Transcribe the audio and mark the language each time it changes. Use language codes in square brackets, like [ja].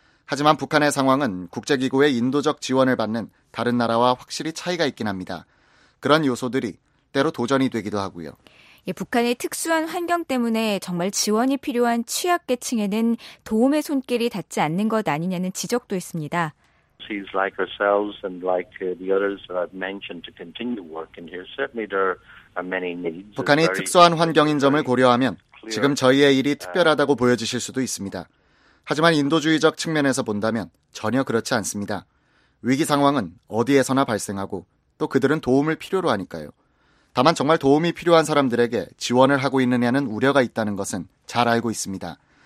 [ko] 하지만 북한의 상황은 국제기구의 인도적 지원을 받는 다른 나라와 확실히 차이가 있긴 합니다. 그런 요소들이 때로 도전이 되기도 하고요. 북한의 특수한 환경 때문에 정말 지원이 필요한 취약계층에는 도움의 손길이 닿지 않는 것 아니냐는 지적도 있습니다. [en] Like ourselves and like the others that I've mentioned to continue working here. Certainly there are many needs. [ko] 북한이 특수한 환경인 점을 고려하면 지금 저희의 일이 특별하다고 보여지실 수도 있습니다. 하지만 인도주의적 측면에서 본다면 전혀 그렇지 않습니다. 위기 상황은 어디에서나 발생하고 또 그들은 도움을 필요로 하니까요. 다만 정말 도움이 필요한 사람들에게 지원을 하고 있느냐는 우려가 있다는 것은 잘 알고 있습니다.